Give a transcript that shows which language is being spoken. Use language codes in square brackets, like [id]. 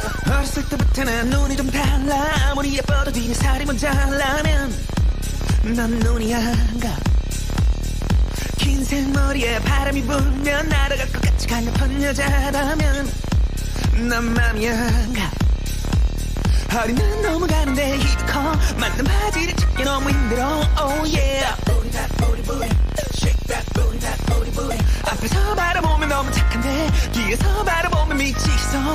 [ko] 어렸을 때부터 난 눈이 좀 달라. 아무리 예뻐도 뒤에 살이 모자라면 난 눈이 안 가. 긴 생머리에 바람이 불면 날아갈 것 같이 갈라픈 여자라면 난 맘이 안 가. 허리는 너무 가는데 힙이 커. 만든 바지를 찾기 너무 힘들어. [en] Oh yeah. Shake that booty, that booty booty. [ko] 앞에서 바라보면 너무 착한데 뒤에서 바라보면 미치겠어.